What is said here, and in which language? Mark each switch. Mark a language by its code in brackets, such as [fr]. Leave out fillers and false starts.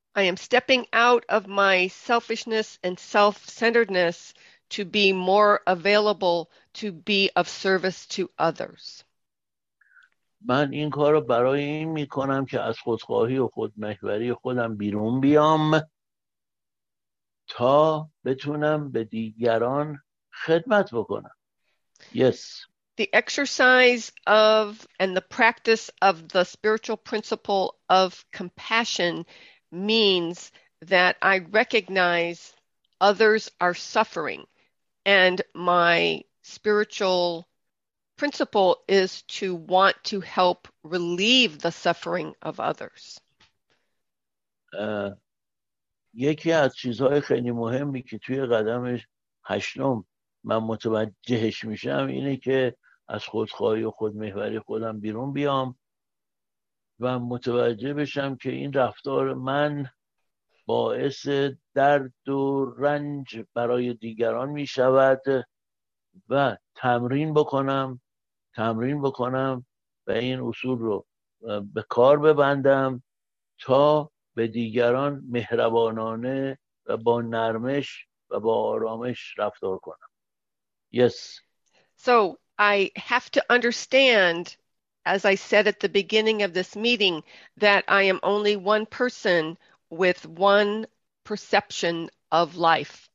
[en] I am stepping out of my selfishness and self-centeredness to be more available to be of service to others. [fa] من این کار رو برای این می کنم که از خودخواهی و خودمحوری خودم بیرون بیام تا بتونم به دیگران خدمت بکنم. [en] Yes. The exercise of and the practice of the spiritual principle of compassion means that I recognize others are suffering and my spiritual principle is to want to help relieve the suffering of others. [fa] یکی از چیزهای خیلی مهمی که توی قدم هشتم من متوجهش میشم اینه که از خودخواهی و خودمحوری خودم بیرون بیام و متوجه بشم که این رفتار من باعث درد و رنج برای دیگران می شود و تمرین بکنم و این اصول رو به کار ببندم تا به دیگران مهربانانه و با نرمش و با آرامش رفتار کنم. [en] Yes. So I have to understand, as I said at the beginning of this meeting, that I am only one person with one perception of life.